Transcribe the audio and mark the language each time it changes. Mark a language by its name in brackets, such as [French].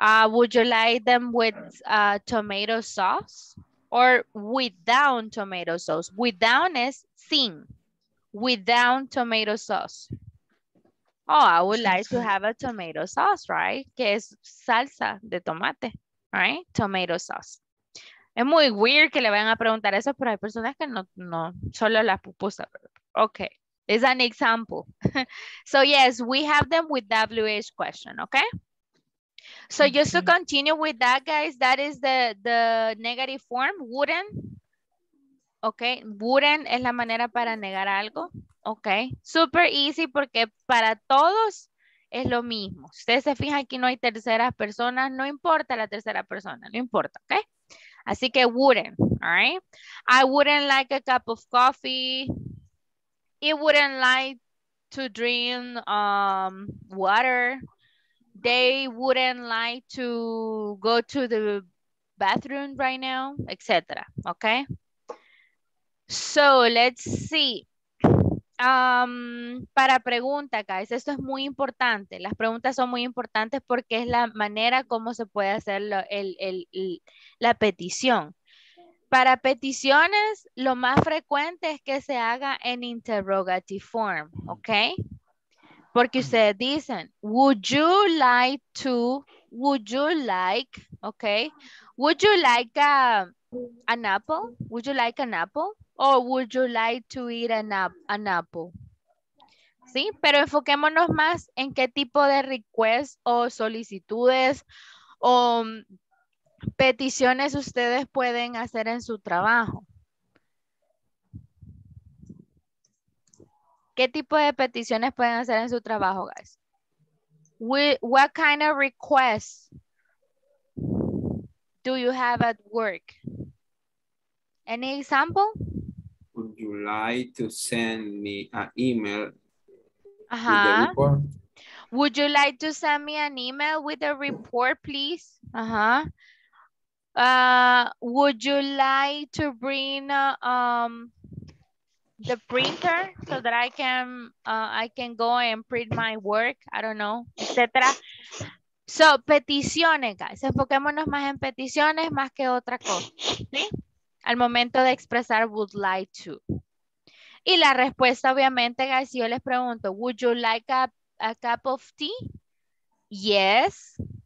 [English] Would you like them with tomato sauce? Or without tomato sauce. Without is sin. Without tomato sauce. Oh, I would like to have a tomato sauce, right? [Spanish] Que es salsa de tomate, [English] right? Tomato sauce. [Spanish] Es muy weird que le vayan a preguntar eso, pero hay personas que no solo las pupusas. [English] Okay, it's an example. So yes, we have them with WH question, okay? So okay. Just to continue with that, guys, that is the negative form, wouldn't. Okay, wouldn't [Spanish] es la manera para negar algo. [English] Okay, super easy [Spanish] porque para todos es lo mismo. Ustedes se fijan que no hay terceras personas, no importa la tercera persona, no importa, okay? Así que [English] wouldn't, all right? I wouldn't like a cup of coffee. It wouldn't like to drink water. They wouldn't like to go to the bathroom right now, etc. Okay? So, let's see. [Spanish] Para pregunta, guys, esto es muy importante. Las preguntas son muy importantes porque es la manera como se puede hacer la petición. Para peticiones, lo más frecuente es que se haga en interrogative form, ¿ok? Porque ustedes dicen, [English] would you like to, would you like, [Spanish] ¿ok? [English] Would you like an apple? Would you like an apple? Or would you like to eat an apple? [Spanish] ¿Sí? Pero enfoquémonos más en qué tipo de requests o solicitudes o peticiones ustedes pueden hacer en su trabajo. ¿Qué tipo de peticiones pueden hacer en su trabajo, guys? [English] What kind of requests do you have at work? Any example? Would you like to send me an email? Uh-huh. Would you like to send me an email with a report, please? Uh-huh. Would you like to bring the printer so that I can go and print my work? I don't know, etc. So, peticiones, guys. [Spanish] Enfoquémonos más en peticiones más que otra cosa, ¿sí? Al momento de expresar [English] would like to. [Spanish] Y la respuesta, obviamente, guys, si yo les pregunto, [English] would you like a cup of tea? Yes.